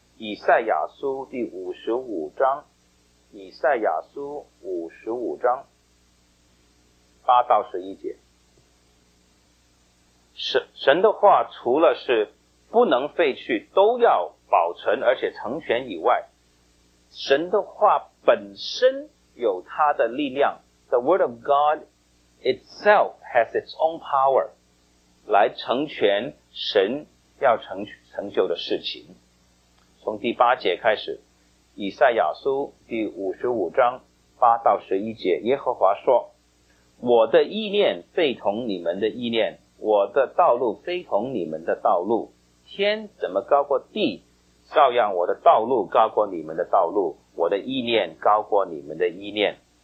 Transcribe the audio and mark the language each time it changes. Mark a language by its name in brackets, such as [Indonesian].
[Chinese] 以赛亚书第55章，以赛亚书55章8-11节，神的话除了是不能废去都要保存而且成全以外，神的话本身有它的力量。 [English] The word of God itself has its own power [Chinese] 来成全神要成就的事情。从第八节开始，以赛亚书第55章8-11节，耶和华说，我的意念非同你们的意念，我的道路非同你们的道路，天怎么高过地，照样我的道路高过你们的道路，我的意念高过你们的意念。